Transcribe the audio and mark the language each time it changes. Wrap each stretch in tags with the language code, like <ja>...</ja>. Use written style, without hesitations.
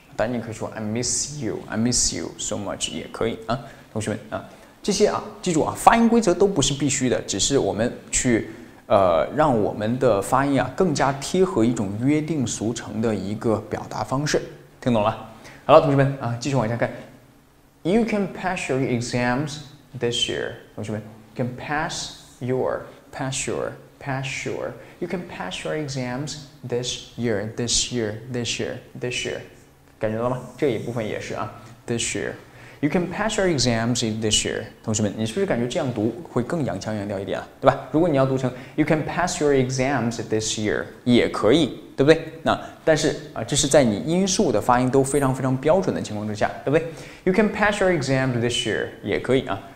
<zh>但你可以说</zh> <en>I miss you, I miss you so much</en> <zh>也可以啊，同学们啊，这些啊，记住啊，发音规则都不是必须的，只是我们去让我们的发音啊更加贴合一种约定俗成的一个表达方式，听懂了？好了，同学们啊，继续往下看。</zh> <en>You can pass your exams this year,</en> <zh>同学们</zh> <en>can pass your, pass your, pass your. You can pass your exams this year, this year, this year, this year.</en> <zh>感觉到吗？这一部分也是啊。</zh> <en>This year, you can pass your exams this year.</en> <zh>同学们，你是不是感觉这样读会更洋腔洋调一点啊？对吧？如果你要读成</zh> <en>you can pass your exams this year，</en> <zh>也可以，对不对？那但是啊，这是在你音素的发音都非常非常标准的情况之下，对不对？</zh> <en>You can pass your exams this year，</en> <zh>也可以啊。</zh>